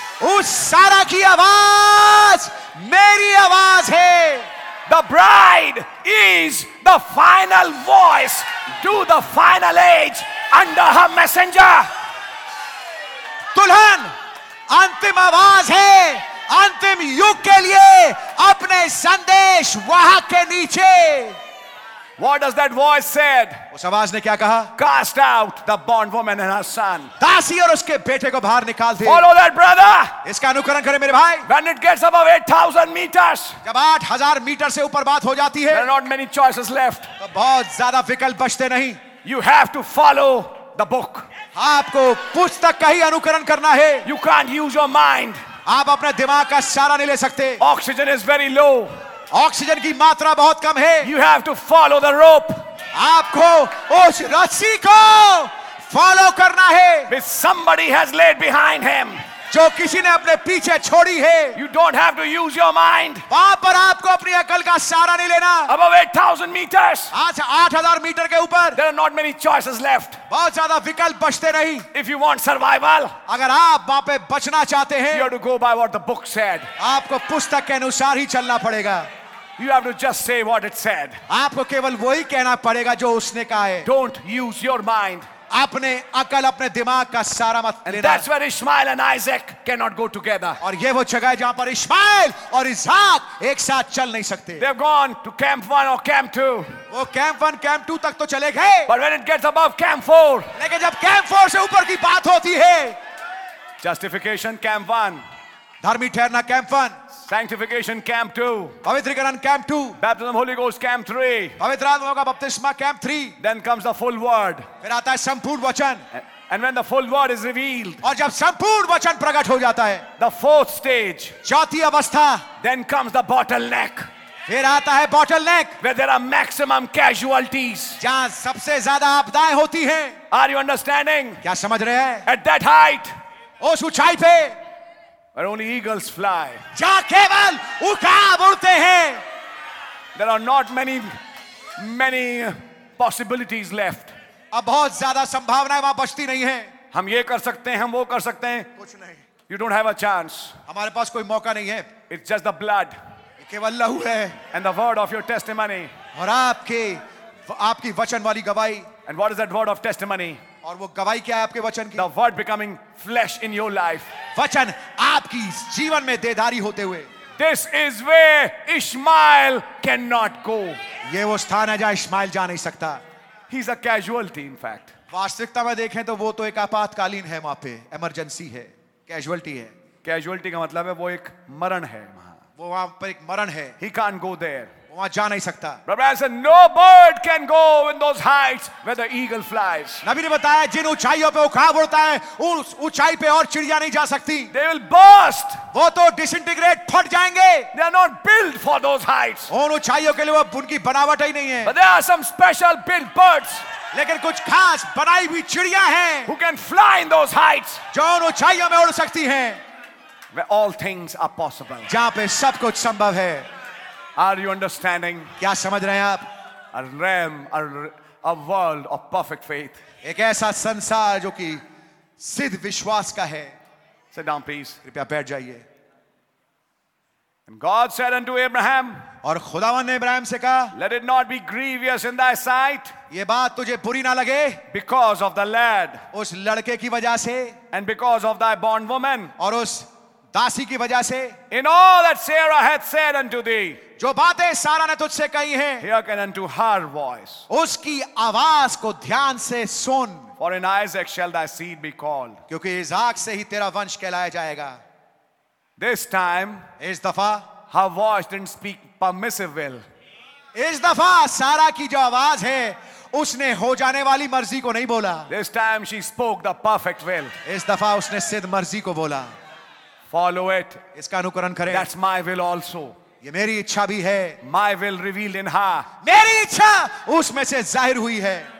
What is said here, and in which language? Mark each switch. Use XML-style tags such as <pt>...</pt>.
<hi>उस सारा की आवाज मेरी आवाज है.</hi> <en>The bride is the final voice to the final age under her messenger.</en> <hi>दुल्हन अंतिम आवाज है अंतिम युग के लिए अपने संदेश वहां के नीचे.</hi> <en>What does that voice said?</en> <hi>उस आवाज ने क्या कहा?</hi> <en>Cast out the bond woman and her son.</en> <hi>दासी और उसके बेटे को बाहर निकाल दे.</hi> <en>Follow that, brother.</en> <hi>इसका अनुकरण करें मेरे भाई.</hi> <en>When it gets above 8,000 meters.</en> <hi>जब 8,000 मीटर से ऊपर बात हो जाती है.</hi> <en>There are not many choices left.</en> <hi>तो बहुत ज़्यादा विकल्प बचते नहीं.</hi> <en>You have to follow the book.</en> <hi>आपको पुस्तक का ही अनुकरण करना है.</hi> <en>You can't use your mind.</en> <hi>आप अपने दिमाग का सहारा नहीं ले सकते.</hi> <en>Oxygen is very low.</en> <hi>Oxygen की मात्रा बहुत कम है.</hi> <en>You have to follow the rope.</en> <hi>आपको उस रस्सी को फॉलो करना है.</hi> <en>Which somebody has led behind him.</en> <hi>जो किसी ने अपने पीछे छोड़ी है.</hi> <en>You don't have to use your mind.</en> <hi>वहां पर आपको अपनी अकल का सहारा नहीं लेना.</hi> <en>Above 8,000 metres.</en> <hi>आज 8,000 मीटर के ऊपर.</hi> <en>There are not many choices left.</en> <hi>बहुत ज्यादा विकल्प बचते नहीं.</hi> <en>If you want survival.</en> <hi>अगर आप वहां पे बचना चाहते हैं.</hi> <en>You have to go by what the book said.</en> <hi>आपको पुस्तक के अनुसार ही चलना पड़ेगा.</hi> <en>You have to just say what it said.</en> <hi>आपको केवल वही कहना पड़ेगा जो उसने कहा है.</hi> <en>Don't use your mind.</en> <hi>अपने अकल अपने दिमाग का सारा मत लेना।</hi> <en>That's where Ishmael and Isaac cannot go together.</en> <hi>और ये वो जगह है जहाँ पर इश्माइल और इसहाक एक साथ चल नहीं सकते।</hi> <en>They've gone to camp one or camp two.</en> <hi>वो camp one, camp two तक तो चले गए।</hi> <en>But when it gets above camp four.</en> <hi>लेकिन जब camp four से ऊपर की बात होती है।</hi> <en>Justification camp one.</en> <hi>धर्मी ठहरना camp one.</hi> <en>Sanctification camp two.</en> <hi>पवित्रीकरण camp two.</hi> <en>Baptism Holy Ghost camp three.</en> <hi>पवित्र आत्मा का बपतिस्मा camp three.</hi> <en>Then comes the full word.</en> <hi>फिर आता है संपूर्ण वचन.</hi> <en>And when the full word is revealed.</en> <hi>और जब संपूर्ण वचन प्रकट हो जाता है.</hi> <en>The fourth stage.</en> <hi>चौथी अवस्था.</hi> <en>Then comes the bottleneck.</en> <hi>फिर आता है bottleneck.</hi> <en>Where there are maximum casualties.</en> <hi>जहां सबसे ज्यादा आपदाएं होती हैं.</hi> <en>Are you understanding?</en> <hi>क्या समझ रहे हैं?</hi> <en>At that height.</en> <hi>उस ऊंचाई पे.</hi> <en>Where only eagles fly.</en> <hi>जा केवल उकाब उड़ते हैं.</hi> <en>There are not many, many possibilities left.</en> <hi>अब बहुत ज़्यादा संभावनाएं वहाँ बचती नहीं हैं. हम ये कर सकते हैं, हम वो कर सकते हैं. कुछ नहीं.</hi> <en>You don't have a chance.</en> <hi>हमारे पास कोई मौका नहीं है.</hi> <en>It's just the blood.</en> <hi>केवल लहू है.</hi> <en>And the word of your testimony.</en> <hi>और आपकी वचन वाली गवाही.</hi> <en>And what is that word of testimony?</en> <hi>और वो गवाही क्या है आपके वचन की?</hi> <en>The word becoming flesh in your life.</en> <hi>वचन आपकी जीवन में देहधारी होते हुए.</hi> <en>This is where Ishmael cannot go.</en> <hi>ये वो स्थान है जहाँ इश्माइल जा नहीं सकता.</hi> <en>He's a casualty, in fact.</en> <hi>वास्तविकता में देखें तो वो तो एक आपातकालीन है, वहां पे इमरजेंसी है, कैजुअलिटी है. कैजुअलिटी का मतलब है वो एक मरण है वहां. वो वहां पर एक मरण है.</hi> <en>He can't go there.</en> <hi>वहां जा नहीं सकता.</hi> <en>Brother said, no bird can go in those heights where the eagle flies.</en> <hi>नबी ने बताया जिन ऊंचाइयों पे उकाब उड़ता है उस ऊंचाई पे और चिड़िया नहीं जा सकती.</hi> <en>They will burst.</en> <hi>वो तो disintegrate, फट जाएंगे.</hi> <en>They are not built for those heights.</en> <hi>उन ऊंचाइयों के लिए वो उनकी बनावट ही नहीं है.</hi> <en>But there are some special built birds.</en> <hi>लेकिन कुछ खास बनाई हुई चिड़िया हैं.</hi> <en>Who can fly in those heights.</en> <hi>जो उन ऊंचाइयों में उड़ सकती हैं.</hi> <en>Where all things are possible.</en> <hi>जहां पे सब कुछ संभव है.</hi> <en>Are you understanding?</en> <hi>क्या समझ रहे हैं आप?</hi> <en>A realm, a world of perfect faith.</en> <hi>एक ऐसा संसार जो कि सिद्ध विश्वास का है.</hi> <en>Sit down, please.</en> <hi>कृपया बैठ जाइए.</hi> <en>And God said unto Abraham.</en> <hi>और खुदावन ने इब्राहिम से कहा.</hi> <en>Let it not be grievous in thy sight.</en> <hi>ये बात तुझे बुरी ना लगे.</hi> <en>Because of the lad.</en> <hi>उस लड़के की वजह से.</hi> <en>And because of thy bond woman.</en> <hi>और उस दासी की वजह से.</hi> <en>In all that Sarah hath said unto thee.</en> <hi>जो बातें सारा ने तुझसे कही हैं,</hi> <en>hearken unto her voice.</en> <hi>उसकी आवाज को ध्यान से सुन.</hi> <en>For in Isaac shall thy seed be called.</en> <hi>क्योंकि इसहाक से ही तेरा वंश कहलाया जाएगा.</hi> <en>This time,</en> <hi>इस दफा,</hi> <en>her voice didn't speak permissive will.</en> <hi>इस दफा सारा की जो आवाज है उसने हो जाने वाली मर्जी को नहीं बोला.</hi> <en>This time she spoke the perfect will.</en> <hi>इस दफा उसने सिद्ध मर्जी को बोला.</hi> <en>Follow it.</en> <hi>इसका अनुकरण करें.</hi> <en>That's my will also.</en> <hi>ये मेरी इच्छा भी है.</hi> <en>My will revealed in her.</en> <hi>मेरी इच्छा उसमें से जाहिर हुई है.</hi>